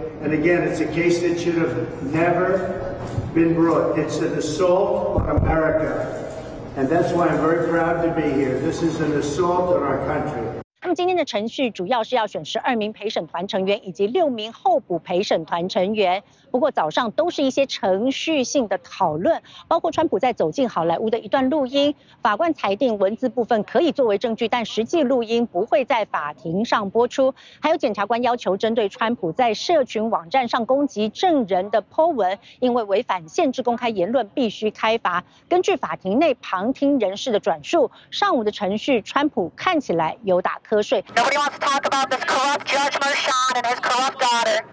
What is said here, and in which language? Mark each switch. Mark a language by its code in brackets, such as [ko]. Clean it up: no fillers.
[en] And again, it's a case that should haveNever been brought. It's an assault on America. And that's why I'm very proud to be here. This is an assault on our country. [zh] 那么今天的程序主要是要选12名陪审团成员以及6名候补陪审团成员，不过早上都是一些程序性的讨论，包括川普在走进好莱坞的一段录音，法官裁定文字部分可以作为证据，但实际录音不会在法庭上播出，还有检察官要求针对川普在社群网站上攻击证人的 po 文，因为违反限制公开言论必须开罚。根据法庭内旁听人士的转述，上午的程序川普看起来有打瞌睡。 [en] Nobody wants to talk about this corrupt judge Marshawn and his corrupt daughter.